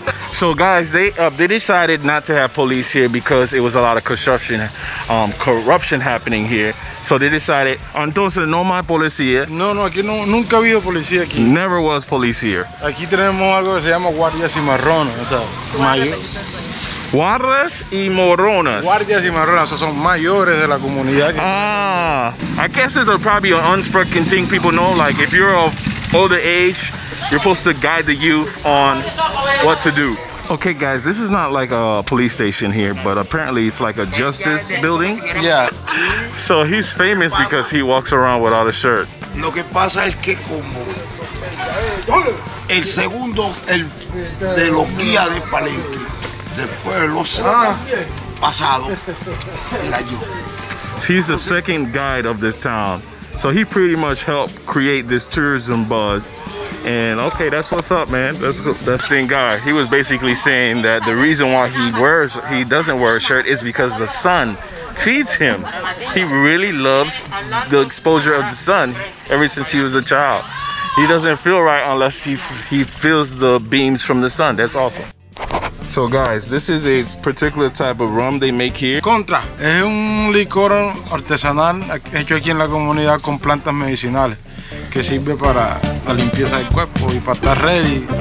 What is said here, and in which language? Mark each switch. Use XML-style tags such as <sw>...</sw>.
<en>So guys, they decided not to have police here because it was a lot of construction, corruption happening here. So they decided,</en> <es>entonces no más policía. No, aquí no, nunca ha habido policía aquí.</es> <en>Never was police here.</en> <es>Aquí tenemos algo que se llama guardias y marrones, o sea, guardias y morones. Guardias y marrones, o sea, son mayores de la comunidad.</es> <en>I guess it's probably an unspoken thing people know, like if you're of older age, you're supposed to guide the youth on what to do. Okay, guys, this is not like a police station here, but apparently it's like a justice building. Yeah. So he's famous because he walks around without a shirt.</en> <es>Lo que pasa es que como el segundo, el de los guías de Palenque, después de los pasados, era yo.</es> <en>He's the second guide of this town. So he pretty much helped create this tourism buzz. And okay, that's what's up, man. That's the same guy. He was basically saying that the reason why he doesn't wear a shirt is because the sun feeds him. He really loves the exposure of the sun ever since he was a child. He doesn't feel right unless he feels the beams from the sun. That's awesome. So guys, this is a particular type of rum they make here.</en> <es>Contra. Es un licor artesanal hecho aquí en la comunidad con plantas medicinales que sirve para la limpieza del cuerpo y para estar ready.</es>